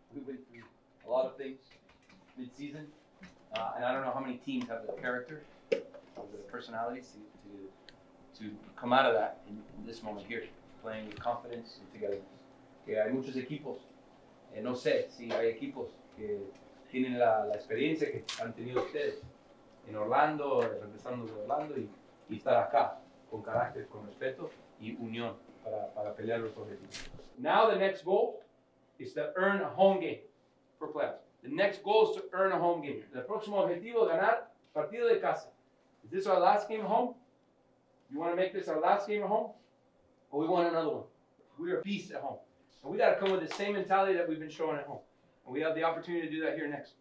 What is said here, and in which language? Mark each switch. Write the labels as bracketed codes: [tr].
[en] We've been through a lot of things mid-season, and I don't know how many teams have the character, the personalities to come out of that in this moment here, playing with confidence and togetherness. [es] Que hay muchos equipos, no sé si hay equipos que tienen la experiencia que han tenido ustedes en Orlando, regresando de Orlando y estar acá con carácter, con respeto y unión para pelear los objetivos. [en] Now the next goal is to earn a home game for playoffs. The next goal is to earn a home game. [es] El próximo objetivo es ganar partido de casa. [en] Is this our last game at home? You want to make this our last game at home? Or we want another one? We are beasts at home. And we got to come with the same mentality that we've been showing at home. And we have the opportunity to do that here next.